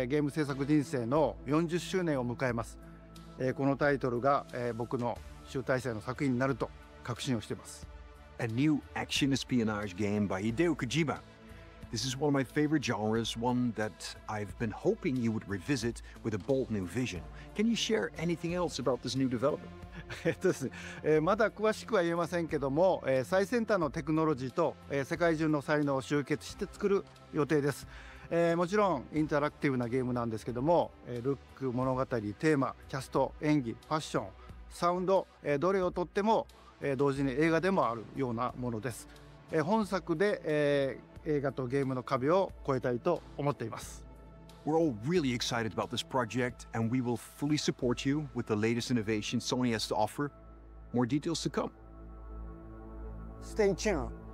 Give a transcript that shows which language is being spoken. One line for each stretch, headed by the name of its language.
Japanese: 準備を始めてますけども、デストランディング2の後に本格的に小島プロダクションで制作にかかります。ソニーさんとはほぼ30年にわたりエスピオナージュものを一緒に育ててきたという強い経験もあります。またソニーさんはゲームだけではなく音楽も映画もされています。間違いなく強力なコラボレーションになるはずです。さらに2年後には僕のゲーム制作人生の40周年を迎えます。このタイトルが、僕の集大成の作品になると確信をしています。
English: A new action espionage game by Hideo Kojima. This is one of my favorite genres, one that I've been hoping you would revisit with a bold new vision. Can you share anything else about this new development?
Japanese: まだ詳しくは言えませんけども、最先端のテクノロジーと、世界中の才能を集結して作る予定です。もちろんインタラクティブなゲームなんですけども、ルック、物語、テーマ、キャスト、演技、ファッション、サウンド、どれをとっても、同時に映画でもあるようなものです。本作で、映画とゲームの壁を越えたいと思っています。
English: We're all really excited about this project and we will fully support you with the latest innovation Sony has to offer. More details to come. Stay tuned.